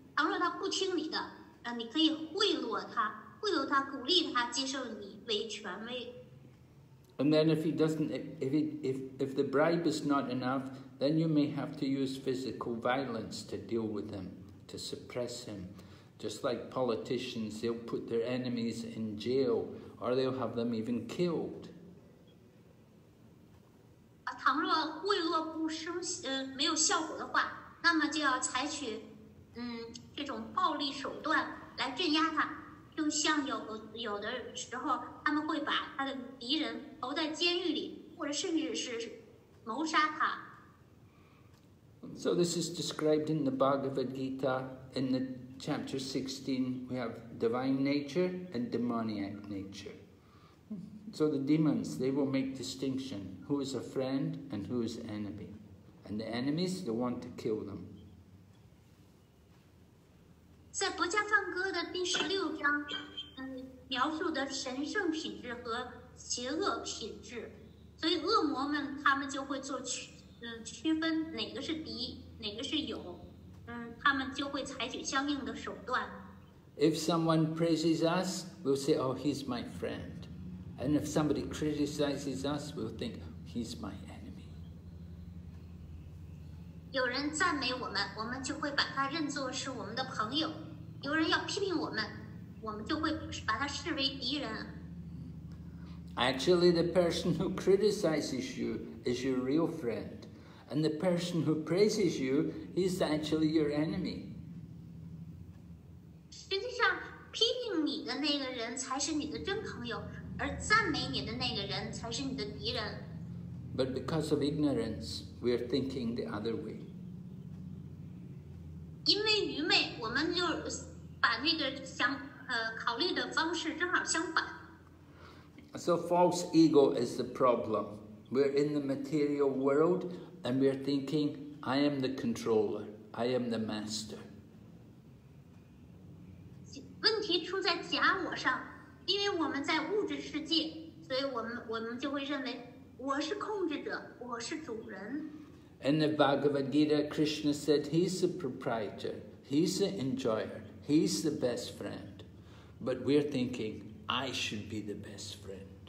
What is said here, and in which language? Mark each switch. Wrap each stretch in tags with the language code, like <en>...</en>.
<zh>倘若他不听你的，你可以贿赂他，贿赂他，鼓励他接受你为权威。</zh> <en>And then if he doesn't, if the bribe is not enough, then you may have to use physical violence to deal with him, to suppress him. Just like politicians, they'll put their enemies in jail, or they'll have them even killed.</en> <zh>倘若贿赂不生，没有效果的话，那么就要采取，这种暴力手段来镇压他。就像有的时候，他们会把他的敌人投在监狱里，或者甚至是谋杀他。</zh> <en>So this is described in the Bhagavad Gita. In the chapter 16, we have divine nature and demoniac nature. So the demons, they will make distinction who is a friend and who is enemy. And the enemies, they want to kill them.</en> <zh>在《薄伽梵歌》的第十六章，描述的神圣品质和邪恶品质，所以恶魔们他们就会做区分哪个是敌，哪个是友，他们就会采取相应的手段。</zh> <en>If someone praises us, we'll say, "Oh, he's my friend." And if somebody criticizes us, we'll think, "He's my enemy."</en> <zh>有人赞美我们，我们就会把他认作是我们的朋友；有人要批评我们，我们就会把他视为敌人。</zh> <en>Actually, the person who criticizes you is your real friend, and the person who praises you is actually your enemy.</en> <zh>实际上，批评你的那个人才是你的真朋友，而赞美你的那个人才是你的敌人。</zh> <en>But because of ignorance, we are thinking the other way.</en> <zh>因为愚昧，我们就把那个想考虑的方式正好相反。</zh> <en>So false ego is the problem. We're in the material world and we're thinking, I am the controller, I am the master.</en> <zh>问题出在假我上，因为我们在物质世界，所以我们就会认为我是控制者，我是主人。</zh> <en>In the Bhagavad Gita, Krishna said, he's the proprietor, he's the enjoyer, he's the best friend. But we're thinking, I should be the best friend.</en>